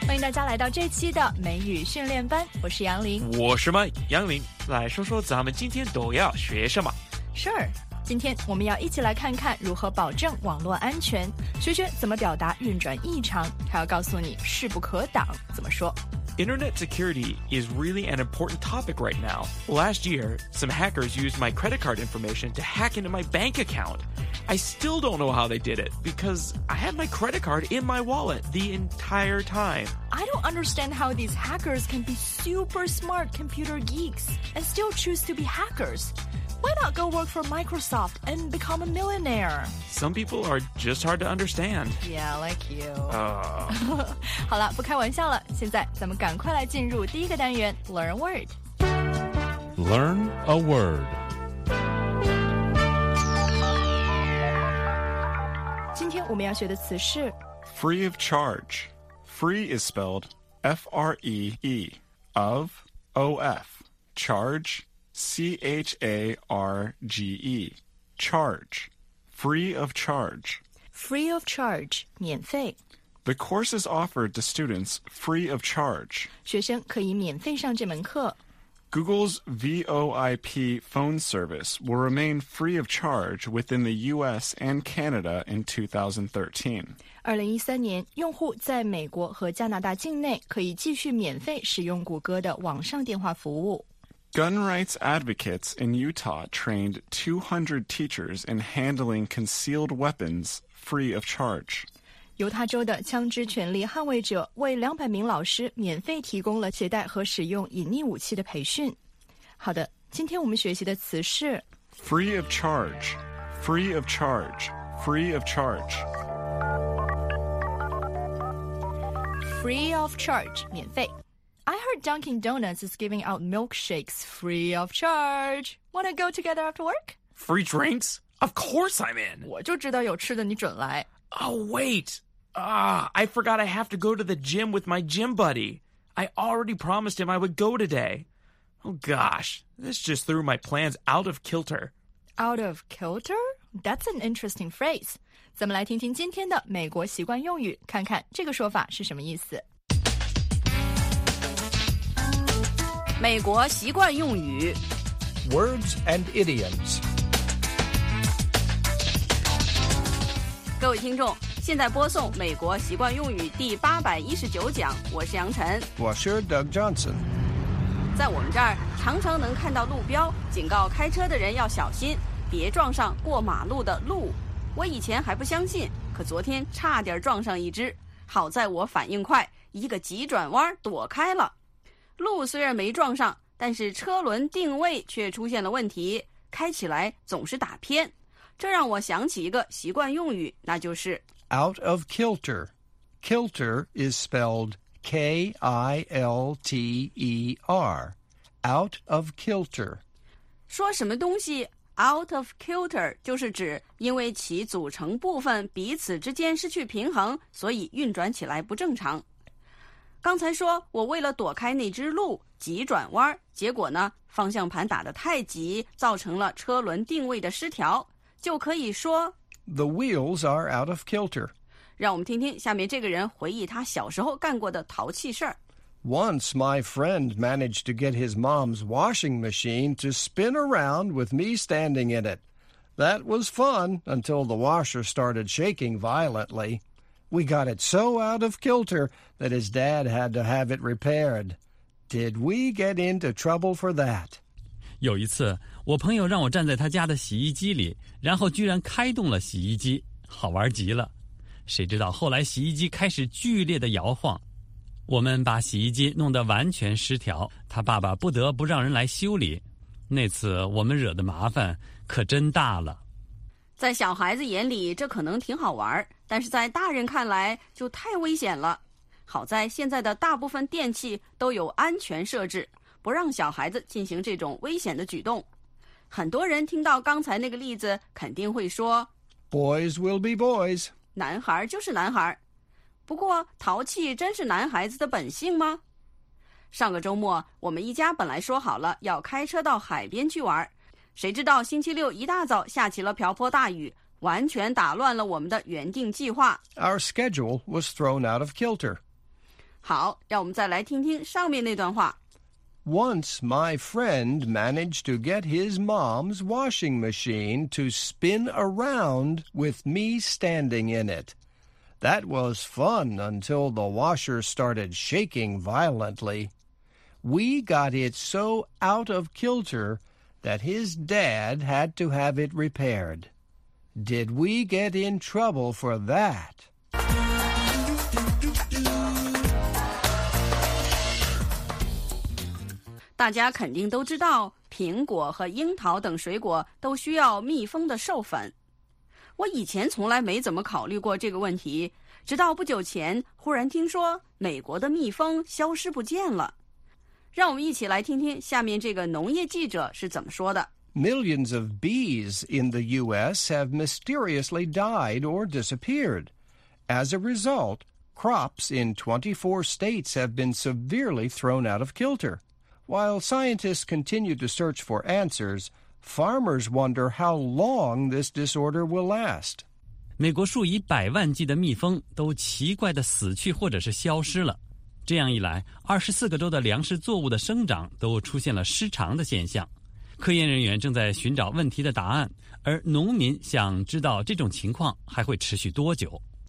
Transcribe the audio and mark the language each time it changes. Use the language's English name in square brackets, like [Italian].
[Chinese] 家来到这期的美语训练班，我是杨林。我是Mike，杨林，来说说咱们今天都要学什么。 Sure， 今天我们要一起来看看如何保证网络安全，学学怎么表达运转异常，还要告诉你势不可挡怎么说。 [English] Internet security is really an important topic right now. Last year, some hackers used my credit card information to hack into my bank account. I still don't know how they did it, because I had my credit card in my wallet the entire time. I don't understand how these hackers can be super smart computer geeks and still choose to be hackers. Why not go work for Microsoft and become a millionaire? Some people are just hard to understand. Yeah, like you. [Chinese] 好了，不开玩笑了，现在咱们赶快来进入第一个单元 [English] Learn a Word. Learn a Word. [Chinese] 今天我们要学的词是 [English] Free of charge. Free is spelled F-R-E-E. Of, O-F. Charge, C-H-A-R-G-E. Charge. Free of charge. Free of charge, [Chinese] 免费。 [English] The course is offered to students free of charge. [Chinese] 学生可以免费上这门课。 [English] Google's VoIP phone service will remain free of charge within the U.S. and Canada in 2013. [Chinese] 2013年，用户在美国和加拿大境内可以继续免费使用谷歌的网上电话服务。 [English] Gun rights advocates in Utah trained 200 teachers in handling concealed weapons free of charge. [Chinese] 犹他州的枪支权利捍卫者为200名老师免费提供了携带和使用隐匿武器的培训。好的，今天我们学习的词是 [English] free of charge, free of charge, free of charge. Free of charge, [Chinese] 免费。 [English] I heard Dunkin' Donuts is giving out milkshakes free of charge. Wanna go together after work? Free drinks? Of course I'm in. [Chinese] 我就知道有吃的你准来。 [English] Oh, wait. I forgot I have to go to the gym with my gym buddy. I already promised him I would go today. Oh, gosh. This just threw my plans out of kilter. Out of kilter? That's an interesting phrase. [Chinese] 咱们来听听今天的美国习惯用语，看看这个说法是什么意思。美国习惯用语 [English] Words and idioms. [Chinese] 各位听众，现在播送美国习惯用语第819讲，我是杨晨，我是 Doug Johnson。在我们这儿常常能看到路标警告开车的人要小心，别撞上过马路的鹿。我以前还不相信，可昨天差点撞上一只，好在我反应快，一个急转弯躲开了。路虽然没撞上，但是车轮定位却出现了问题，开起来总是打偏。这让我想起一个习惯用语，那就是 [English] out of kilter. Kilter is spelled K-I-L-T-E-R. Out of kilter. [Chinese] 说什么东西 [English] out of kilter [Chinese] 就是指因为其组成部分彼此之间失去平衡，所以运转起来不正常。刚才说我为了躲开那只鹿急转弯，结果呢方向盘打得太急，造成了车轮定位的失调，就可以说 [English] The wheels are out of kilter. [Chinese] 让我们听听下面这个人回忆他小时候干过的淘气事儿。 [English] Once my friend managed to get his mom's washing machine to spin around with me standing in it. That was fun until the washer started shaking violently. We got it so out of kilter that his dad had to have it repaired. Did we get into trouble for that? [Chinese] 有一次，我朋友让我站在他家的洗衣机里，然后居然开动了洗衣机，好玩极了。谁知道后来洗衣机开始剧烈的摇晃，我们把洗衣机弄得完全失调，他爸爸不得不让人来修理。那次我们惹的麻烦可真大了。在小孩子眼里这可能挺好玩，但是在大人看来就太危险了。好在现在的大部分电器都有安全设置，不让小孩子进行这种危险的举动。很多人听到刚才那个例子肯定会说 [English] Boys will be boys. [Chinese] 男孩就是男孩。不过淘气真是男孩子的本性吗？上个周末我们一家本来说好了要开车到海边去玩，谁知道星期六一大早下起了瓢泼大雨，完全打乱了我们的原定计划。 [English] Our schedule was thrown out of kilter. [Chinese] 好，让我们再来听听上面那段话。 [English] Once my friend managed to get his mom's washing machine to spin around with me standing in it. That was fun until the washer started shaking violently. We got it so out of kilter that his dad had to have it repaired. Did we get in trouble for that? [Chinese] 大家肯定都知道，苹果和樱桃等水果都需要密封的授粉。我以前从来没怎么考虑过这个问题，直到不久前忽然听说美国的蜜蜂消失不见了。让我们一起来听听下面这个农业记者是怎么说的。 [English] Millions of bees in the U.S. have mysteriously died or disappeared. As a result, crops in 24 states have been severely thrown out of kilter. While scientists continue to search for answers, farmers wonder how long this disorder will last. [Chinese] 美国数以百万计的蜜蜂都奇怪地死去或者是消失了。这样一来，24个州的粮食作物的生长都出现了失常的现象。科研人员正在寻找问题的答案，而农民想知道这种情况还会持续多久。